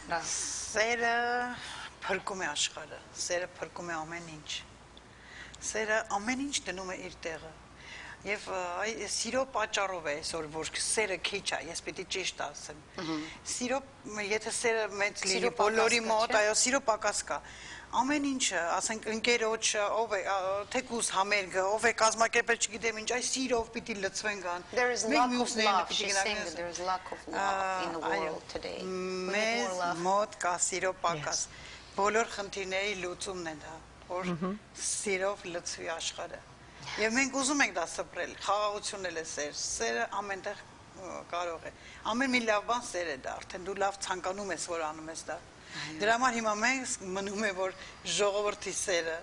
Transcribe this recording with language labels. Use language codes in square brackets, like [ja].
[hy] Սերը փրկում է աշխարհը, սերը փրկում է ամեն ինչ, սերը ամեն ինչ դնում է իր տեղը։ Եվ այ սիրո պատճառով է այսօր, որ սերը քիչ է, ես պիտի ճիշտ ասեմ։ Սիրո, եթե սերը մեծ լինի բոլորի մոտ, այո, սիրո պակաս կա։ Ամեն ինչը, ասենք ընկերոջը, ով է, թե կուս համերգը, ով է կազմակերպել, չգիտեմ ինչ, այ սիրով պիտի լցվեն գան։ [en] There is lack of love. She's saying that there is lack of love in the world today. [hy] Մեզ մոտ կա սիրո պակաս։ Բոլոր խնդիրների լուծումն է դա, որ սիրով լցվի աշխարհը։ Եվ մենք ուզում ենք դա սփրել, խաղաղությունն էլ է սեր, սերը ամենտեղ կարող է, ամեն մի լավ բան սեր է դա, արդեն դու լավ ցանկանում ես, որ անում ես դա։ Դրա համար հիմա մենք մնում է, որ ժողովրդի սերը